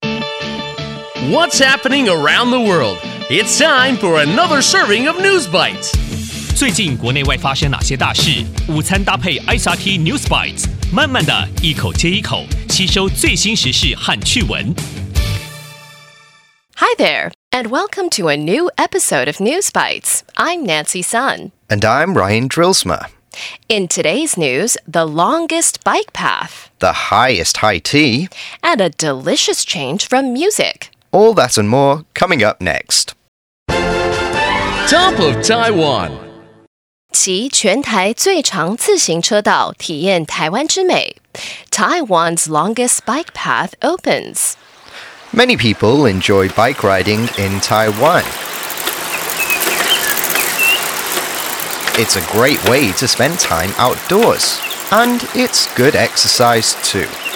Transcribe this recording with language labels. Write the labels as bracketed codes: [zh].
[en] What's happening around the world? It's time for another serving of News Bites. [zh] 最近国内外发生哪些大事？午餐搭配 SRT News Bites， 慢慢的一口接一口，吸收最新时事和趣闻。 [en] Hi there, and welcome to a new episode of News Bites. I'm Nancy Sun. And I'm Ryan Drilsma. In today's news, the longest bike path, the highest high tea, and a delicious change from music. All that and more coming up next. Top of Taiwan. [zh] 骑全台最长自行车道，体验台湾之美。 [en] Taiwan's longest bike path opens. Many people enjoy bike riding in Taiwan. It's a great way to spend time outdoors. And it's good exercise too.